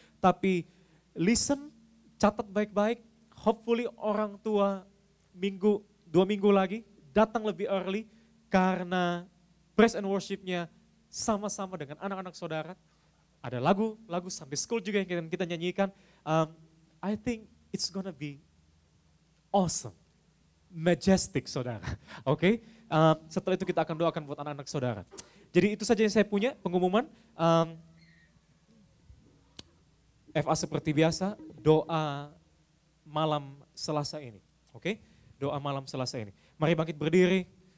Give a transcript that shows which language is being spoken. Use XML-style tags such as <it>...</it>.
<id>Tapi listen, catat baik-baik, hopefully orang tua minggu, dua minggu lagi datang lebih early karena</id> <en>praise and worship-</en> <id>nya sama-sama dengan anak-anak saudara. Ada lagu-lagu sampai school juga yang kita nyanyikan.</id> <en>I think it's gonna be awesome, majestic,</en> <id>saudara. Oke? Okay? Setelah itu kita akan doakan buat anak-anak saudara. Jadi itu saja yang saya punya pengumuman. FA seperti biasa, doa malam Selasa ini. Oke? Okay? Doa malam Selasa ini. Mari bangkit berdiri.</id>